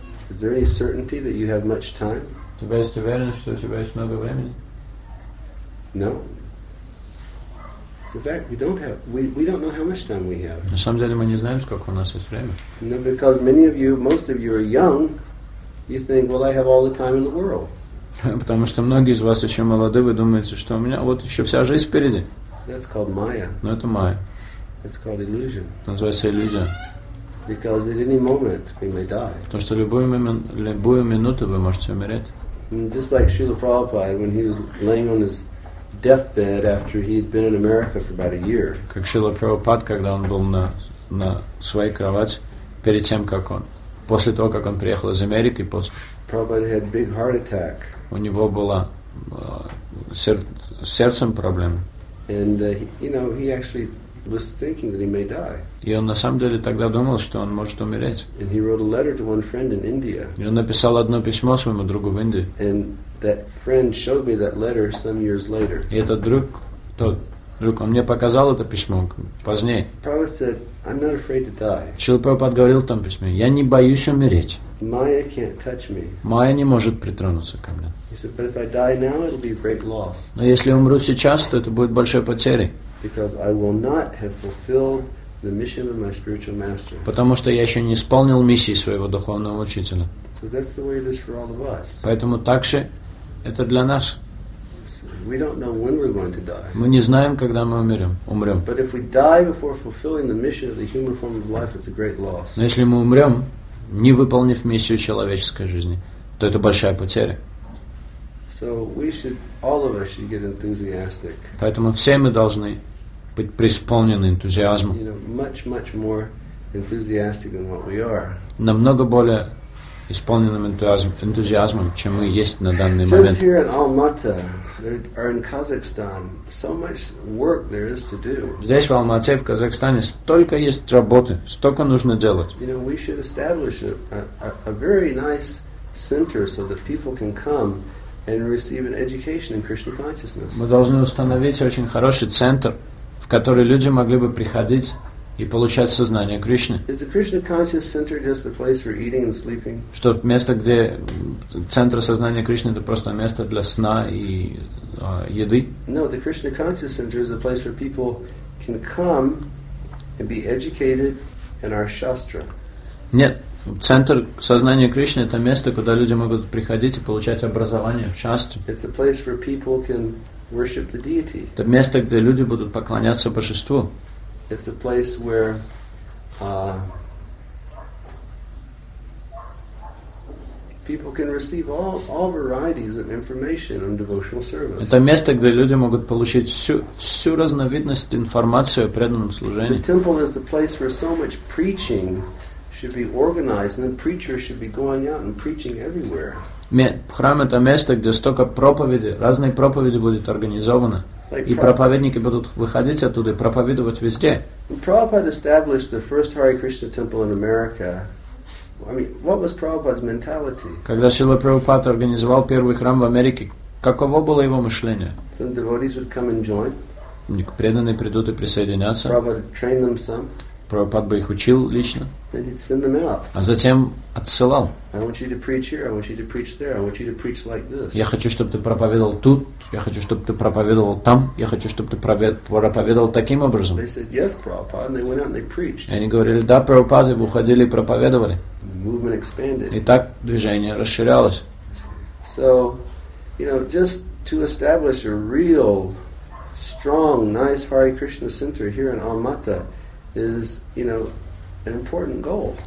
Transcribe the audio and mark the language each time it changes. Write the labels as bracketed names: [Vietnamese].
[English] Is there any certainty that you have much time? [Russian] У тебя есть уверенность, что у тебя есть много времени? [English] No. In fact, we don't know how much time we have. [Russian] На самом деле мы не знаем, сколько у нас есть времени. [English] No, because many of you, most of you are young, you think, well, I have all the time in the world. [Russian] Потому что многие из вас еще молоды, вы думаете, что у меня вот еще вся жизнь впереди. [English] That's called Maya. [Russian] Но это Майя. [English] That's called illusion. [Russian] Называется иллюзия. [English] Because at any moment we may die. [Russian] Потому что любую минуту вы можете умереть. [English] Just like Srila Prabhupada, when he was laying on his deathbed after he had been in America for about a year. [Russian] Как Шрила Прабхупада, когда он был на своей кровати перед тем, как он после того, как он приехал из Америки, [English] Prabhupada had big heart attack. [Russian] У него было сердцем проблемы. [English] And he actually was thinking that he may die. [Russian] И он на самом деле тогда думал, что он может умереть. [English] And he wrote a letter to one friend in India. [Russian] И он написал одно письмо своему другу в Индии. [English] And that friend showed me that letter some years later. [Russian] И этот друг, он мне показал это письмо позднее. [English] Prabhupada said, I'm not afraid to die. [Russian] Шрила Прабхупада говорил в том письме, я не боюсь умереть. [English] Майя can't touch me. [Russian] Майя не может притронуться ко мне. [English] He said, but if I die now, it'll be a great loss. [Russian] Но если умру сейчас, то это будет большой потерей. [English] Because I will not have fulfilled the mission of my spiritual master. [Russian] Потому что я еще не исполнил миссии своего духовного учителя. [English] So that's the way it is for all of us. [Russian] Поэтому так же это для нас. [English] We don't know when we're going to die. [Russian] Мы не знаем, когда мы умрем. [English] But if we die before fulfilling the mission of the human form of life, it's a great loss. [Russian] Но если мы умрем, не выполнив миссию человеческой жизни, то это большая потеря. [English] So we should, all of us should get enthusiastic. [Russian] Поэтому все мы должны быть преисполнены энтузиазмом. [English] You know, much, much more enthusiastic than what we are. [Russian] Намного более исполненным энтузиазмом, чем мы есть на данный момент. [English] Just here in Almaty, or in Kazakhstan, so much work there is to do. [Russian] Здесь в Алмате, в Казахстане, столько есть работы, столько нужно делать. [English] You know, we should establish a very nice center so that people can come and receive an education in Krishna consciousness. [Russian] Мы должны установить очень хороший центр, в который люди могли бы приходить и получать сознание Кришны. [English] Is the Krishna consciousness center just a place for eating and sleeping? [Russian] Что место, где центр сознания Кришны, это просто место для сна и еды? [English] No, the Krishna consciousness center is a place where people can come and be educated in our shastra. [Russian] Нет, центр сознания Кришны — это место, куда люди могут приходить и получать образование в шастре. [English] It's a place where people can worship the deity. [Russian] Это место, где люди будут поклоняться божеству. [English] It's a place where people can receive all varieties of information on devotional service. [Russian] Это место, где люди могут получить всю разновидность информации о преданном служении. [English] The temple is the place where so much preaching should be organized, and the preacher should be going out and preaching everywhere. [Russian] Храм — это место, где столько проповеди, разные проповеди будут организованы. И проповедники будут выходить оттуда и проповедовать везде. [English] When Prabhupada established the first Hare Krishna temple in America, I mean, what was Prabhupada's mentality? [Russian] Когда Шрила Прабхупада организовал первый храм в Америке, каково было его мышление? [English] Some devotees would come and join. [Russian] Преданные придут и присоединятся. [English] Prabhupada would train them some. [Russian] Прабхупад бы их учил лично. [English] Then he'd send them out. [Russian] А затем отсылал. [English] I want you to preach here, I want you to preach there, I want you to preach like this. [Russian] Я хочу, чтобы ты проповедовал тут, я хочу, чтобы ты проповедовал там, я хочу, чтобы ты проповедовал таким образом. [English] They said, yes, Prabhupada, and they went out and they preached. [Russian] И они говорили, да, Прабхупад, и выходили и проповедовали. [English] Movement expanded. [Russian] И так движение расширялось. [English] So, you know, just to establish a real, strong, nice Hare Krishna center here in Almaty is, you know, an important goal.